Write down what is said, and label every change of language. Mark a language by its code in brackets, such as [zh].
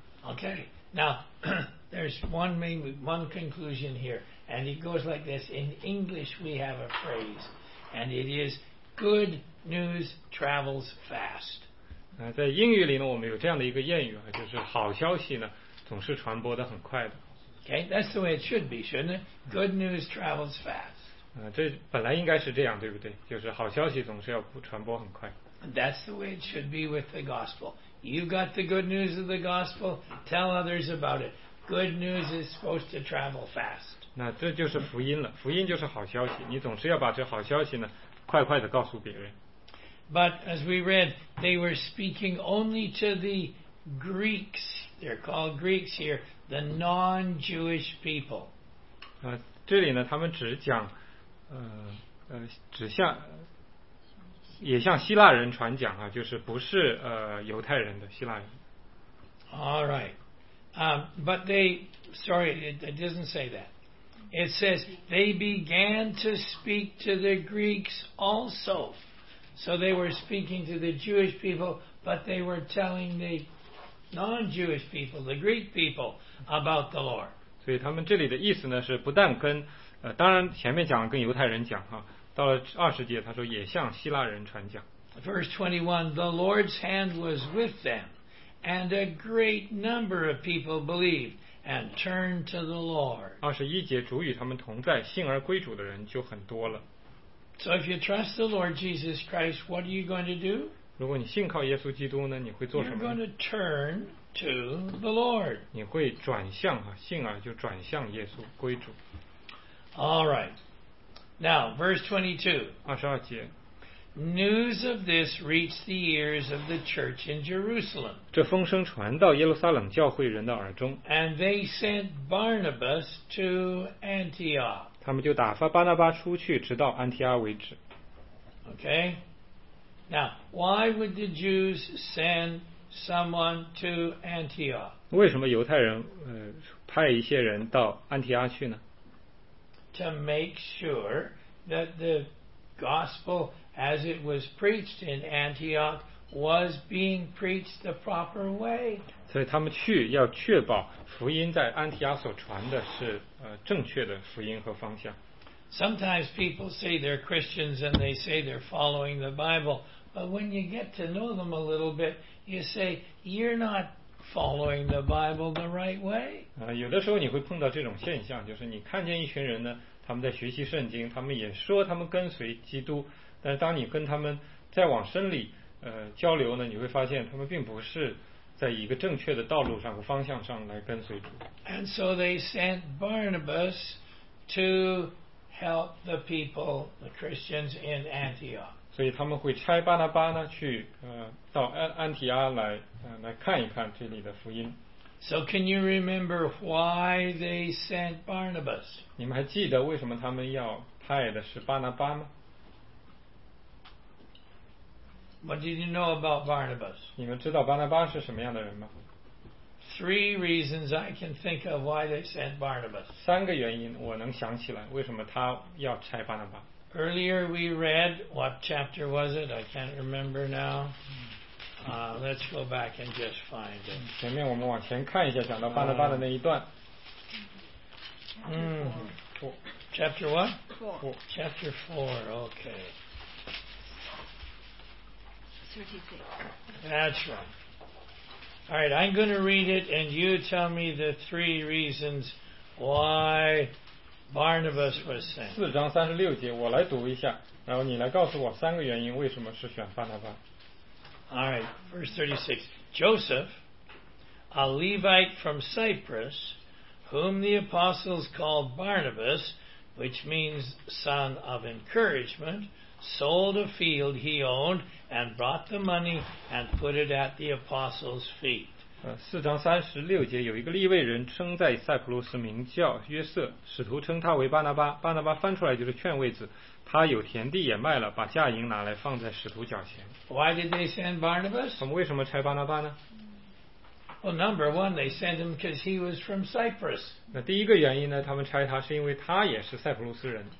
[en] Okay, now there's one conclusion here, and it goes like this. In English, we have a phrase, and it is "Good news travels fast." [zh] 在英语里呢，我们有这样的一个谚语啊，就是好消息呢总是传播得很快的。 [en] Okay, that's the way it should be, shouldn't it? Good news travels fast. [zh] 这本来应该是这样，对不对？就是好消息总是要传播很快。 [en] That's the way it should be with the gospel. You got the good news of the gospel, tell others about it. Good news is supposed to travel fast. [zh] 那这就是福音了，福音就是好消息，你总是要把这好消息呢，快快地告诉别人。 [en] But as we read, they were speaking only to the Greeks. They're called Greeks here, the non-Jewish people. [zh] 这里呢，他们只讲只向也向希腊人传讲啊，就是不是犹太人的希腊人。 [en] All right, but they, sorry, it doesn't say that. It says they began to speak to the Greeks also, so they were speaking to the Jewish people, but they were telling the non-Jewish people, the Greek people, about the Lord. [zh] 所以他们这里的意思呢，是不但跟当然前面讲跟犹太人讲哈，到了二十节他说也向希腊人传讲。 [en] Verse 21, the Lord's hand was with them, and a great number of people believed and turned to the Lord. [zh] 21节，主与他们同在，信而归主的人就很多了。 [en] So if you trust the Lord Jesus Christ, what are you going to do? [zh] 如果你信靠耶稣基督呢，你会做什么？ [en] You're going to turn to the Lord. [zh] 你会转向啊，信而就转向耶稣，归主。 [en] All right. Now, verse 22. News of this reached the ears of the church in Jerusalem. [zh] 这风声传到耶路撒冷教会人的耳中。 [en] And they sent Barnabas to Antioch. [zh] 他们就打发巴拿巴出去，直到安提阿为止。 [en] Okay. Now, why would the Jews send someone to Antioch? [zh] 为什么犹太人派一些人到安提阿去呢？ [en] To make sure that the gospel as it was preached in Antioch was being preached the proper way. [zh] 所以他们去要确保福音在安提阿所传的是正确的福音和方向。 [en] Sometimes people say they're Christians and they say they're following the Bible, but when you get to know them a little bit, you say you're not following the Bible the right way. [zh] 有的时候你会碰到这种现象，就是你看见一群人呢，他们在学习圣经，他们也说他们跟随基督，但是当你跟他们再往深里交流呢，你会发现他们并不是在一个正确的道路上和方向上来跟随主。 [en] And so they sent Barnabas to help the people, the Christians in Antioch. [zh] 所以他们会差巴拿巴呢去到安提阿来来看一看这里的福音。 [en] So can you remember why they sent Barnabas? [zh] 你们还记得为什么他们要派的是巴拿巴吗？ [en] What did you know about Barnabas? [zh] 你们知道巴拿巴是什么样的人吗？ [en] Three reasons I can think of why they sent Barnabas. [zh] 三个原因我能想起来为什么他要差巴拿巴。 [en] Earlier we read, what chapter was it? I can't remember now. Let's go back and just find it. [zh] 前面我们往前看一下，讲到巴拿巴的那一段。 [en] Chapter what? Four. Chapter four. Okay. 36. That's right. All right. I'm going to read it, and you tell me the three reasons why Barnabas was sent. [zh] 四章三十六节，我来读一下，然后你来告诉我三个原因为什么是选巴拿巴。 [en] All right, verse 36. Joseph, a Levite from Cyprus, whom the apostles called Barnabas, which means son of encouragement, sold a field he owned and brought the money and put it at the apostles' feet. [zh] 四章三十六节，有一个利未人称在塞浦路斯名叫约瑟，使徒称他为巴拿巴，巴拿巴翻出来就是劝慰子，他有田地也卖了，把价银拿来放在使徒脚前。 [en] Why did they send Barnabas? [zh] 他们为什么差巴拿巴呢？ [en] Well, number one, they sent him because he was from Cyprus. [zh] 那第一个原因呢，他们差他是因为他也是塞浦路斯人。